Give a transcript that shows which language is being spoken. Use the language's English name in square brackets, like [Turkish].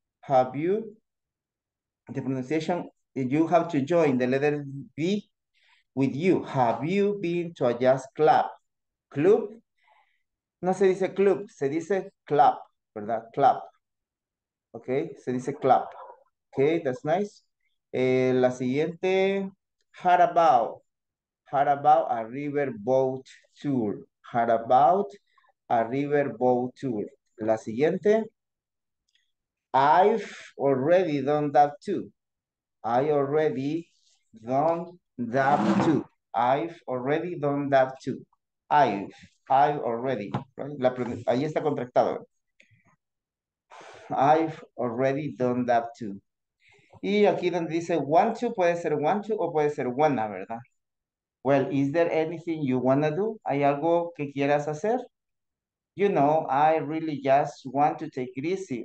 [English] Have you, the pronunciation, you have to join the letter B with you. Have you been to a jazz club? [Spanish] Club, no se dice club, se dice club, ¿verdad? [English] Club, okay, [Spanish] se dice club. [English] Okay, that's nice. [Spanish] La siguiente, [English] how about a river boat tour? How about a river boat tour? [Spanish] La siguiente. [English] I've already done that too. I already done that too. I've already done that too. I've already. Right? [Spanish] Ahí está contractado. [English] I've already done that too. [Spanish] Y aquí donde dice want to, puede ser want to o puede ser wanna, ¿verdad? [English] Well, is there anything you want to do? [Spanish] ¿Hay algo que quieras hacer? [English] You know, I really just want to take it easy.